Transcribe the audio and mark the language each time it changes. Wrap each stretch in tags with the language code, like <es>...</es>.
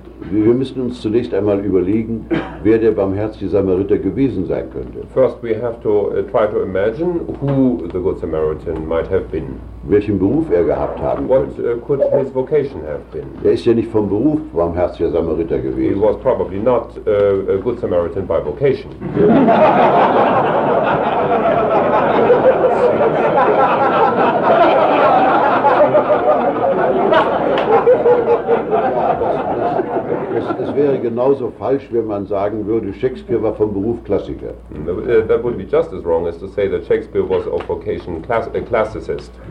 <de>Wir müssen uns zunächst einmal überlegen, wer der barmherzige Samariter gewesen sein könnte.</de> <en>First we have to try to imagine who the Good Samaritan might have been.</en> <de>Welchen Beruf er gehabt haben</de> <en>What</en> <de>könnte.</de> <en>Could his vocation have been?</en> <de>Er ist ja nicht vom Beruf barmherziger Samariter gewesen.</de> <en>He was probably not a Good Samaritan by vocation.</en> <de>Es wäre genauso falsch, wenn man sagen würde, Shakespeare war vom Beruf Klassiker.</de> <en>That would be just as wrong as to say that Shakespeare was of vocation a classicist.</en>